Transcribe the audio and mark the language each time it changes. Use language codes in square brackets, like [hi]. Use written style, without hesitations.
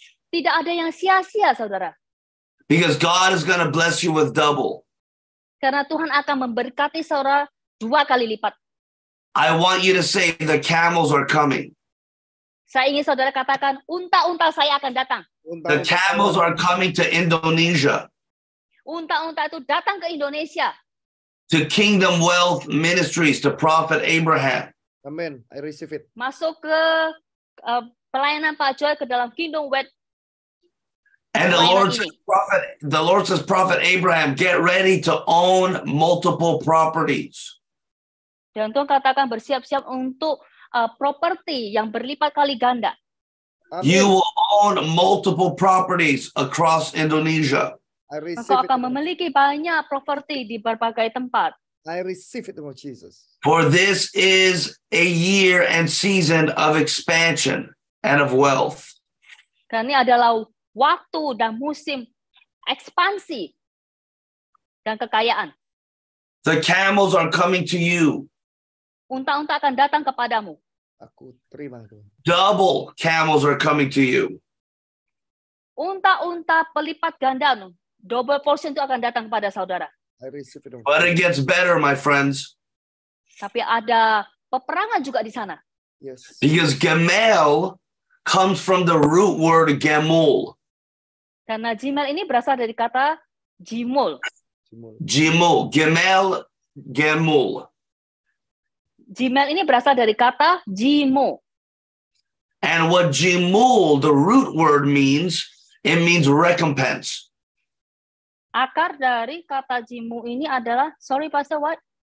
[id] Tidak ada yang sia-sia, saudara. [en] Because God is going to bless you with double. [id] Karena Tuhan akan memberkati saudara dua kali lipat. [en] I want you to say the camels are coming. [id] Saya ingin saudara katakan, unta-unta saya akan datang. [en] The camels are coming to Indonesia. [id] Unta-unta itu datang ke Indonesia. [en] To Kingdom Wealth Ministries, to Prophet Abraham. Amen, I receive it. [id] Masuk ke pelayanan Pak Joy ke dalam Kingdom Wealth. [en] And the Lord says, Prophet Abraham, get ready to own multiple properties. [id] Dan Tuhan katakan bersiap-siap untuk properti yang berlipat kali ganda. [en] You will own multiple properties across Indonesia. I receive it. [id] Kau akan memiliki banyak properti di berbagai tempat. [en] I receive it, Lord Jesus. For this is a year and season of expansion and of wealth. [id] Karena ini adalah waktu dan musim ekspansi dan kekayaan. [en] The camels are coming to you. [id] Unta-unta akan datang kepadamu. Aku terima itu. [en] Double camels are coming to you. [id] Unta-unta pelipat ganda, double portion itu akan datang kepada saudara. [en] I receive it. But it gets better, my friends. [id] Tapi ada peperangan juga di sana. [en] Yes. Because gemel comes from the root word gemul. [id] Karena gemel ini berasal dari kata jimul. Jimul, gemel, gemul. Gemel ini berasal dari kata jimul. [en] And what jimul, the root word means, it means recompense. [id] Akar dari kata jimul ini adalah, [en] sorry Pastor, what?